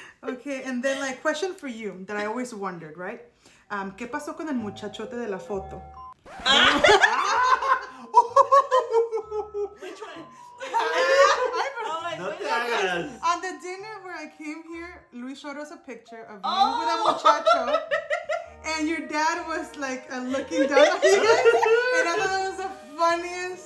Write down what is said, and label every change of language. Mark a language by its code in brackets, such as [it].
[en] Okay, and then, like, question for you that I always wondered, right? [es] ¿Qué pasó con el muchachote de la foto? [en] Which one? On the dinner where I came here, Luis showed us a picture of you with a muchacho, and your dad was like looking down at you guys, and I thought that was the funniest